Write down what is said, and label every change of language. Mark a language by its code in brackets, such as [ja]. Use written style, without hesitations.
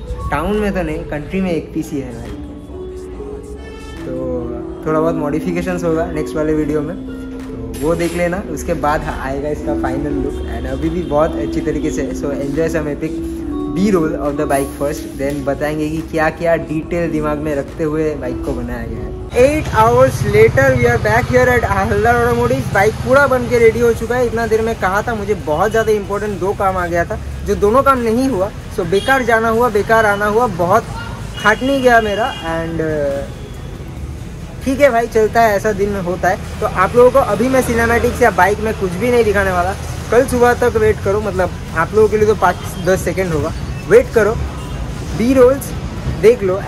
[hi] Town में तो नहीं, कंट्री में एक पीस ही है भाई. तो थोड़ा बहुत मॉडिफिकेशंस होगा नेक्स्ट वाले वीडियो में, तो वो देख लेना, उसके बाद आएगा इसका फाइनल लुक. एंड अभी भी बहुत अच्छी तरीके से है, [en] so enjoy some epic B roll of the bike first, [hi] then बताएंगे कि क्या क्या डिटेल दिमाग में रखते हुए बाइक को बनाया गया है. [en] 8 hours later we are back here at Haldar automotive. [hi] Bike पूरा बन के रेडी हो चुका है. इतना देर में कहा था मुझे बहुत ज़्यादा इंपॉर्टेंट दो काम आ गया था, जो दोनों काम नहीं हुआ, सो बेकार जाना हुआ, बेकार आना हुआ, बहुत खाट नहीं गया मेरा. एंड ठीक है भाई, चलता है, ऐसा दिन में होता है. तो आप लोगों को अभी मैं सिनेमैटिक्स या बाइक में कुछ भी नहीं दिखाने वाला, कल सुबह तक वेट करो, मतलब आप लोगों के लिए तो 5-10 सेकेंड होगा, वेट करो बी रोल्स देख लो.